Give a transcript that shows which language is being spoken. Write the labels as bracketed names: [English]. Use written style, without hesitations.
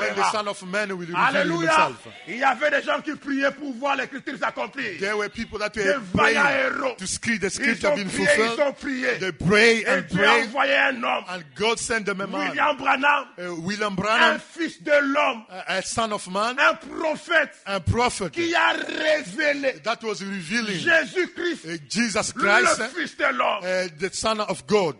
[English] When the Son of Man will reveal himself. [French] Il y avait des gens qui priaient pour voir l'Écriture s'accomplir. [English] There were people that were praying to see the Scripture being fulfilled. [French] Ils ont prié. [English] They pray and pray. [French] Et Dieu envoyait un homme. [English] And God sent them a man. [French] William Branham. [English] William Branham. [French] Un Fils de l'homme. [English] A Son of Man. [French] Un prophète. Un prophète. Qui a révélé. [English] That was revealing Jesus Christ, Jesus Christ [French] le Fils de l'homme. [English] The Son of God.